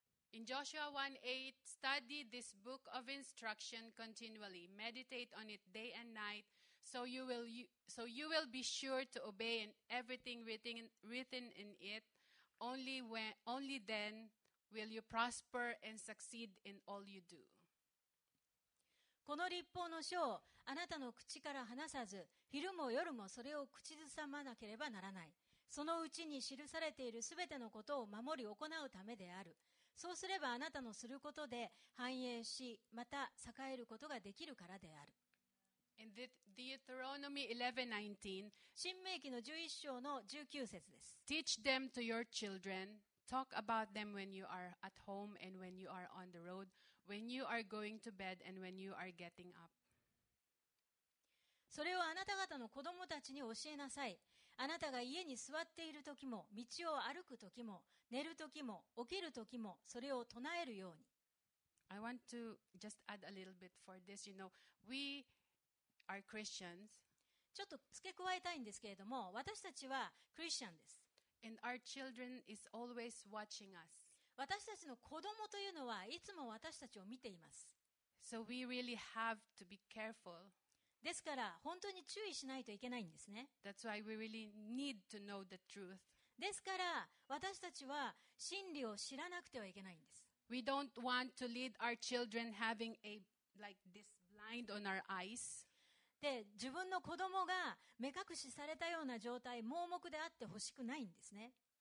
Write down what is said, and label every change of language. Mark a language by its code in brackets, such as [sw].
[en] In Joshua 1:8, study this book of instruction continually. Meditate on it day and night, so you will be sure to obey in everything written in it. Only then. Will you prosper and succeed in all you do? [ja] この律法の書をあなたの口から離さず、昼も夜もそれを口ずさまなければならない。そのうちに記されているすべてのことを守り行うためである。そうすればあなたのすることで繁栄し、また栄えることができるからである。 [en] In Deuteronomy 11:19, [ja] 新命記の11章の19節です。 [en] Teach them to your children. Talk about them when you are at home and when you are on the road, when you are going to bed and when you are getting up. [ja] それをあなた方の子供たちに教えなさい。あなたが家に座っている時も、道を歩く時も、寝る時も、起きる時も、それを唱えるように。 [en] I want to just add a little bit for this. You know, we are Christians. [ja] ちょっと付け加えたいんですけれども、私たちはクリスチャンです。 [en] And our children is always watching us. [ja] 私たちの子供というのはいつも私たちを見ています。 [en] So we really have to be careful. [ja] ですから本当に注意しないといけないんですね。 [en] That's why we really need to know the truth. [ja] ですから私たちは真理を知らなくてはいけないんです。 [en] We don't want to lead our children having a like this blind on our eyes. [ja] で自分の子供が目隠しされたような状態、盲目であってほしくないんですね。